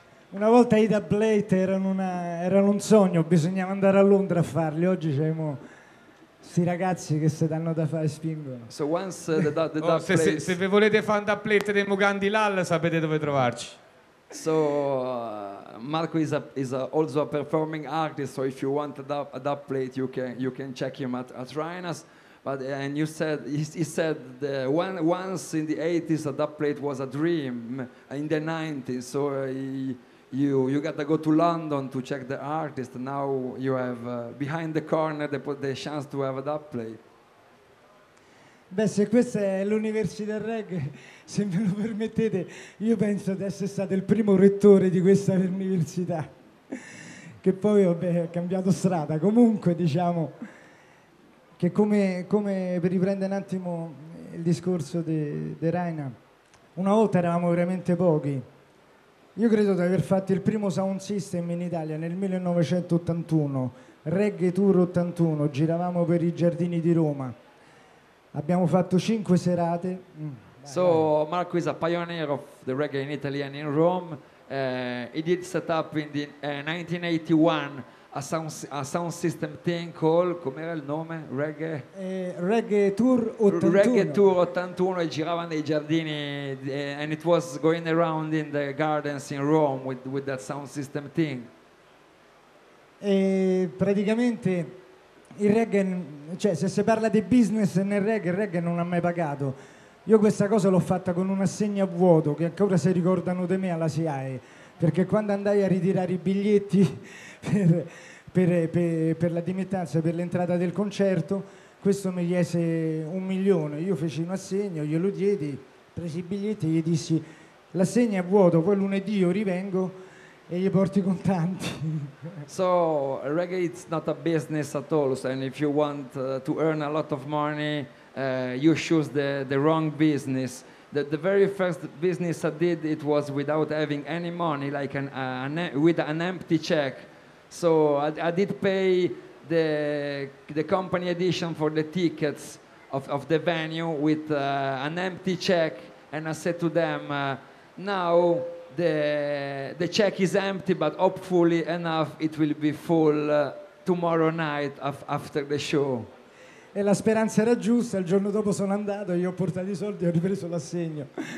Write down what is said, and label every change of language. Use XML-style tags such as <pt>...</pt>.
<it>Una volta i dub plate erano un sogno, bisognava andare a Londra a farli. Oggi c'è questi ragazzi che se danno da fare spingono.</it> <en>So once the dub plate.</en> <it>Se vi volete fare un dub plate dei Mugandhi Lal, sapete dove trovarci.</it> <en>So Marco is also a performing artist, so if you want a dub plate you can check him at Rhinas. But and you said he said the once in the 80s a dub plate was a dream, in the 90s, so you got to go to London to check the artist. Now you have behind the corner the chance to have a dub plate.</en> <it>Beh, se questa è l'università reggae, se me lo permettete, io penso di essere stato il primo rettore di questa università, che poi vabbè, ho cambiato strada. Comunque, diciamo che come per riprendere un attimo il discorso di Raina, una volta eravamo veramente pochi. Io credo di aver fatto il primo sound system in Italia nel 1981, Reggae Tour 81, giravamo per i giardini di Roma. Abbiamo fatto 5 serate.</it> <en>So Marco is a pioneer of the reggae in Italy and in Rome. He did set up in the 1981 a sound system thing called,</en> <it>com'era il nome?</it> <en>Reggae? Reggae Tour 81. Reggae Tour 81,</en> <it>e girava nei giardini,</it> <en>and it was going around in the gardens in Rome with that sound system thing.</en> <it>e praticamente il reggae, cioè se si parla di business nel reggae, il reggae non ha mai pagato. Io questa cosa l'ho fatta con un assegno a vuoto, che ancora si ricordano di me alla SIAE, perché quando andai a ritirare i biglietti per la dimittanza, per l'entrata del concerto, questo mi chiese 1 milione, io feci un assegno, glielo diedi, presi i biglietti e gli dissi l'assegno è vuoto, poi lunedì io rivengo e gli porti contanti.</it> <en>So reggae it's not a business at all, so, and if you want to earn a lot of money you choose the wrong business. The very first business I did, it was without having any money, like with an empty check. So I did pay the company edition for the tickets of the venue with an empty check, and I said to them, now the check is empty, but hopefully enough it will be full tomorrow night after the show.</en> <it>E la speranza era giusta, il giorno dopo sono andato, gli ho portato i soldi e ho ripreso l'assegno.</it>